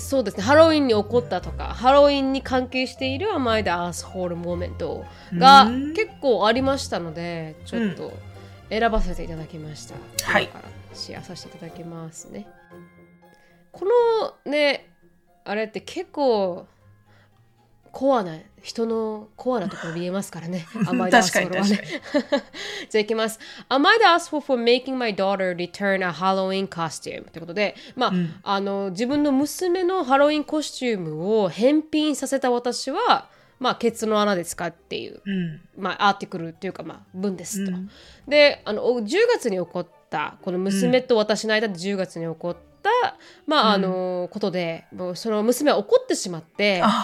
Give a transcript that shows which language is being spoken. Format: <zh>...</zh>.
<ja>そうですね、ハロウィンに起こったとか、ハロウィンに関係している甘いでアースホールモーメントが結構ありましたので、ちょっと選ばせていただきました。はい。シェアさせていただきますね。このね、あれって結構コアな、人のコアなところ見えますからね。甘いでアースフォールはね。じゃあ行きます。</ja> <en>Am I the asshole for making my daughter return a Halloween costume?</en> <ja>ってことで、まあ、うん、あの、自分の娘のハロウィンコスチュームを返品させた私は、まあ、ケツの穴ですかっていう、うん、まあ、アーティクルっていうか、まあ、文ですと。うん、で、あの、10月に起こった、この娘と私の間で10月に起こった、まあ、あの、うん、ことで、もうその娘は怒ってしまって、</ja>